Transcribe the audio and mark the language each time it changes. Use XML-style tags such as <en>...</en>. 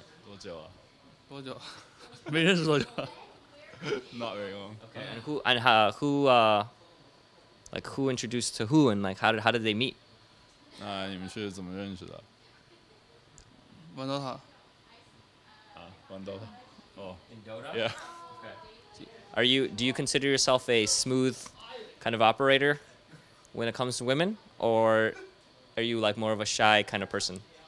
<zh>多久啊？多久？没认识多久。</zh> <en>Not very long. Okay. And who introduced to who, and like how did they meet?</en> <zh>那你们是怎么认识的？玩</zh> <en>DOTA.</en> <zh>啊，玩 DOTA. Oh.</zh> <en>In DOTA. Yeah. Do you consider yourself a smooth kind of operator when it comes to women, or are you like more of a shy kind of person?</en>